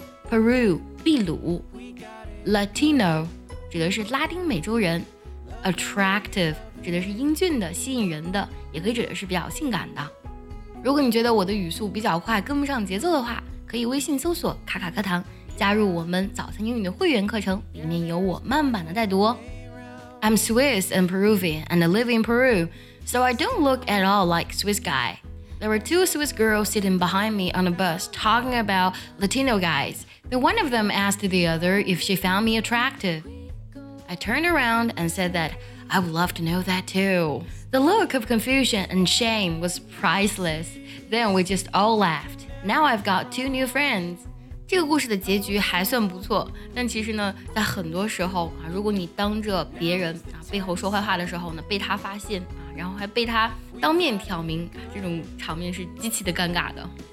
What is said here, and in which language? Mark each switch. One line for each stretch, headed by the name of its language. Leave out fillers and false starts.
Chinese: Peru， 秘鲁。Latino 指的是拉丁美洲人。 Attractive 指的是英俊的，吸引人的，也可以指的是比较性感的。如果你觉得我的语速比较快，跟不上节奏的话，可以微信搜索卡卡课堂，加入我们早餐英语的会员课程，里面有我慢版的带读哦。
English: I'm Swiss and Peruvian and I live in Peru, so I don't look at all like Swiss guy. There were two Swiss girls sitting behind me on a bus talking about Latino guys. Then one of them asked the other if she found me attractive. I turned around and said that I would love to know that too. The look of confusion and shame was priceless. Then we just all laughed. Now I've got two new friends.
Chinese: 这个故事的结局还算不错，但其实呢在很多时候啊，如果你当着别人啊背后说坏话的时候呢被他发现啊，然后还被他当面挑明，这种场面是极其的尴尬的。